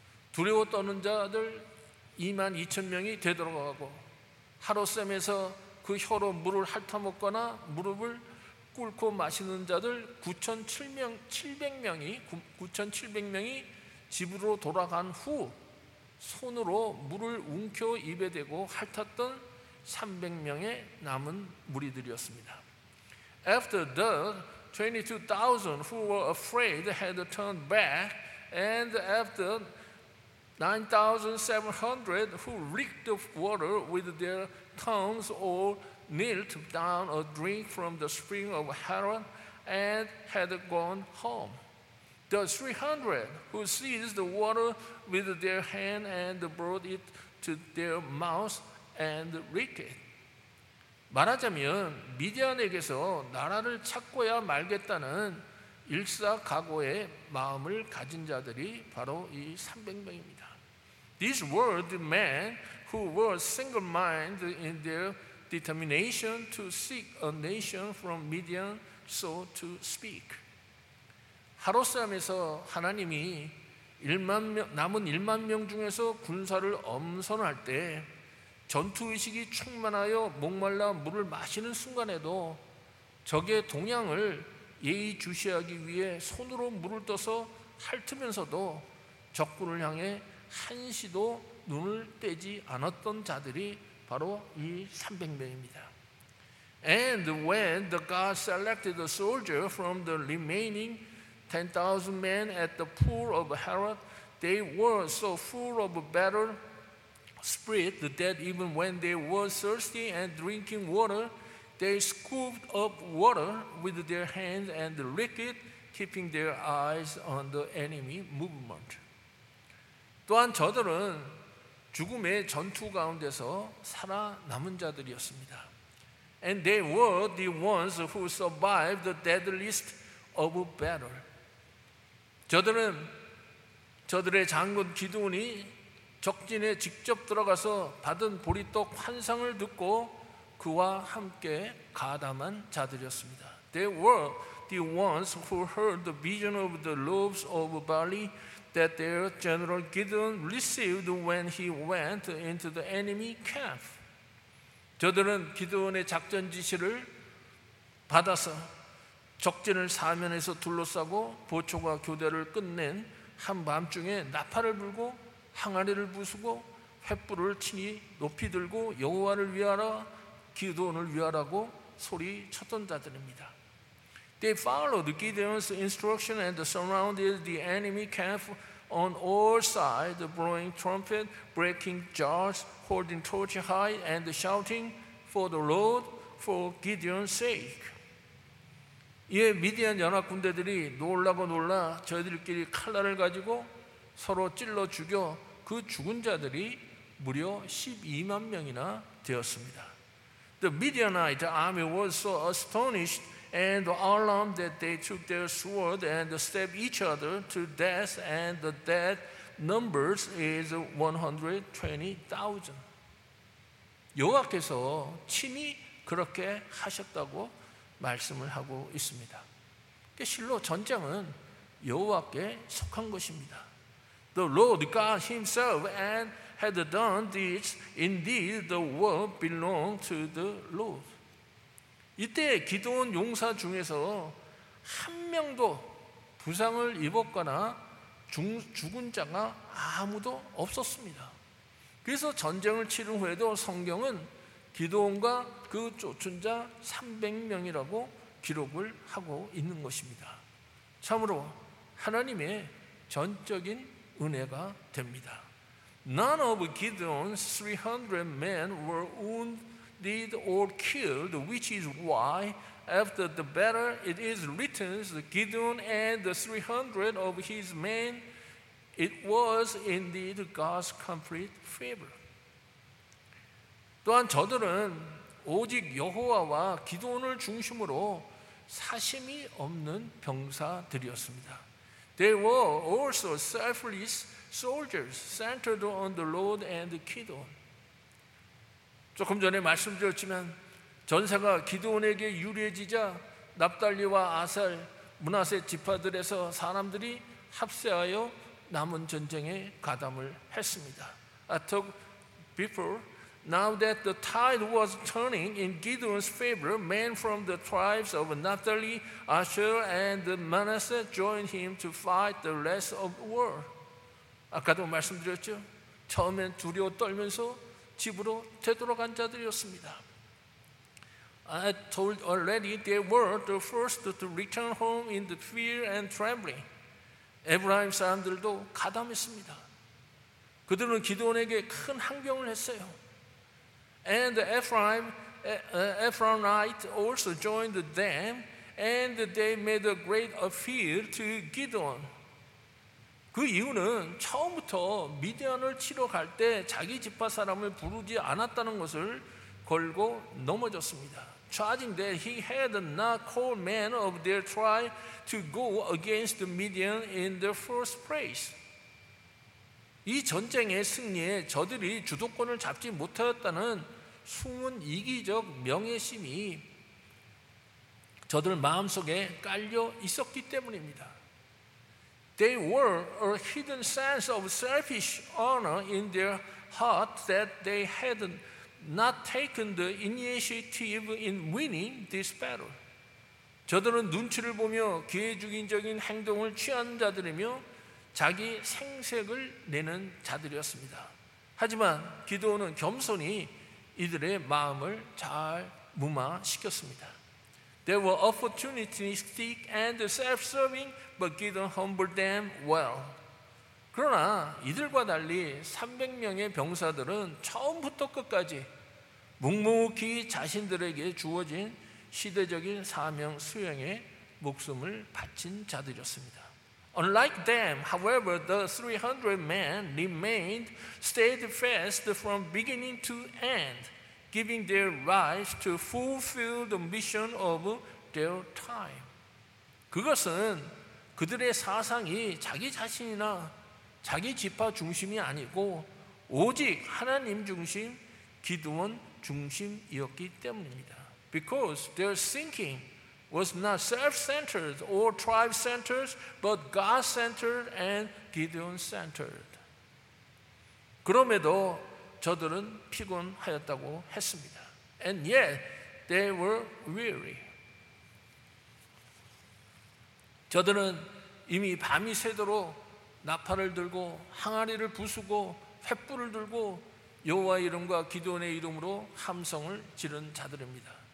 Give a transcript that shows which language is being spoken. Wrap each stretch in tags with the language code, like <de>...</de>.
<ko>두려워 떠는 자들 2만 2천 명이 되돌아가고 하롯샘에서 그 혀로 물을 핥아먹거나 무릎을 꿇고 마시는 자들 9,700명이 집으로 돌아간 후 손으로 물을 움켜 입에 대고 핥았던 300명의 남은 무리들이었습니다.</ko> <en>After the 22,000 who were afraid had turned back, and after 9,700 who licked the water with their tongues or knelt down a drink from the spring of Haran and had gone home. The 300 who seized the water with their hand and brought it to their mouth and licked it.</en> <ko>말하자면 미디안에게서 나라를 찾고야 말겠다는 일사각오의 마음을 가진 자들이 바로 이 300명입니다.</ko> <en>These were the men who were single-minded in their determination to seek a nation from Midian, so to speak.</en> <ko>하롯샘에서 하나님이 남은 1만 명 중에서 군사를 엄선할 때 전투의식이 충만하여 목말라 물을 마시는 순간에도 적의 동향을 예의주시하기 위해 손으로 물을 떠서 핥으면서도 적군을 향해 한시도 눈을 떼지 않았던 자들이 바로 이 300명입니다.</ko> <en>And when the God selected the soldier from the remaining 10,000 men at the pool of Herod, they were so full of battle spirit that even when they were thirsty and drinking water, they scooped up water with their hands and licked it, keeping their eyes on the enemy movement.</en> <ko>또한 저들은 죽음의 전투 가운데서 살아남은 자들이었습니다.</ko> <en>And they were the ones who survived the deadliest of battle.</en> <ko>저들은 저들의 장군 기드온이 적진에 직접 들어가서 받은 보리떡 환상을 듣고 그와 함께 가담한 자들이었습니다.</ko> <en>They were the ones who heard the vision of the loaves of barley that their general Gideon received when he went into the enemy camp.</en> <ko>저들은 기드온의 작전 지시를 받아서 적진을 사면에서 둘러싸고 보초가 교대를 끝낸 한밤중에 나팔을 불고 항아리를 부수고 횃불을 치니 높이 들고 여호와를 위하라 기드온을 위하라고 소리쳤던 자들입니다.</ko> <en>They followed Gideon's instruction and surrounded the enemy camp on all sides, blowing trumpets, breaking jars, holding torches high, and shouting for the Lord, for Gideon's sake.</en> <ko>이에 미디안 연합 군대들이 놀라고 놀라 저들끼리 칼날을 가지고 서로 찔러 죽여 그 죽은 자들이 무려 12만 명이나 되었습니다.</ko> <en>The Midianite army was so astonished and alarmed that they took their sword and stabbed each other to death, and the dead numbers is 120,000.</en> <ko>여호와께서 친히 그렇게 하셨다고 말씀을 하고 있습니다. 실로 전쟁은 여호와께 속한 것입니다.</ko> <en>The Lord God himself and had done this, indeed the war belonged to the Lord.</en> <ko>이때 기드온 용사 중에서 한 명도 부상을 입었거나 죽은 자가 아무도 없었습니다. 그래서 전쟁을 치른 후에도 성경은 기드온과 그 쫓은 자 300명이라고 기록을 하고 있는 것입니다. 참으로 하나님의 전적인 은혜가 됩니다.</ko> <en>None of Gideon's 300 men were wounded or killed, which is why after the battle it is written that Gideon and the 300 of his men, it was indeed God's complete favor.</en> <ko>또한 저들은 오직 여호와와 기드온을 중심으로 사심이 없는 병사들이었습니다.</ko> <en>They were also selfless soldiers centered on the Lord and Gideon.</en> <ko>조금 전에 말씀드렸지만 전사가 기드온에게 유리해지자 납달리와 아셀, 므낫세 지파들에서 사람들이 합세하여 남은 전쟁에 가담을 했습니다.</ko> <en>I took before, now that the tide was turning in Gideon's favor, men from the tribes of Naphtali, Asher, and Manasseh joined him to fight the rest of the war.</en> <ko>아까도 말씀드렸죠? 처음엔 두려워 떨면서 집으로 되돌아간 자들이었습니다.</ko> <en>I told already they were the first to return home in the fear and trembling.</en> <ko>에브라임 사람들도 가담했습니다. 그들은 기드온에게 큰 항변을 했어요.</ko> <en>And the Ephraimite also joined them, and they made a great appeal to Gideon.</en> <ko>그 이유는 처음부터 미디안을 치러 갈 때 자기 지파 사람을 부르지 않았다는 것을 걸고 넘어졌습니다.</ko> <en>Charging that he had not called men of their tribe to go against the Midian in the first place.</en> <ko>이 전쟁의 승리에 저들이 주도권을 잡지 못하였다는 숨은 이기적 명예심이 저들 마음속에 깔려 있었기 때문입니다.</ko> <en>They were a hidden sense of selfish honor in their heart that they had not taken the initiative in winning this battle.</en> <ko>저들은 눈치를 보며 기회주의적인 행동을 취한 자들이며 자기 생색을 내는 자들이었습니다. 하지만 기드온은 겸손히 이들의 마음을 잘 무마시켰습니다.</ko> <en>They were opportunistic and self-serving, but Gideon humbled them well.</en> <ko>그러나 이들과 달리 300명의 병사들은 처음부터 끝까지 묵묵히 자신들에게 주어진 시대적인 사명 수행에 목숨을 바친 자들이었습니다.</ko> <en>Unlike them, however, the 300 men remained steadfast from beginning to end, giving their lives to fulfill the mission of their time.</en> <ko>그것은 그들의 사상이 자기 자신이나 자기 지파 중심이 아니고 오직 하나님 중심, 기도원 중심이었기 때문입니다.</ko> <en>Because their thinking was not self-centered or tribe-centered, but God-centered and Gideon-centered.</en> <ko>그럼에도 저들은 피곤하였다고 했습니다.</ko> <en>And yet, they were weary.</en> <ko>저들은 이미 밤이 새도록 나팔을 들고 항아리를 부수고 횃불을 들고 여호와 이름과 기드온의 이름으로 함성을 지른 자들입니다.</ko>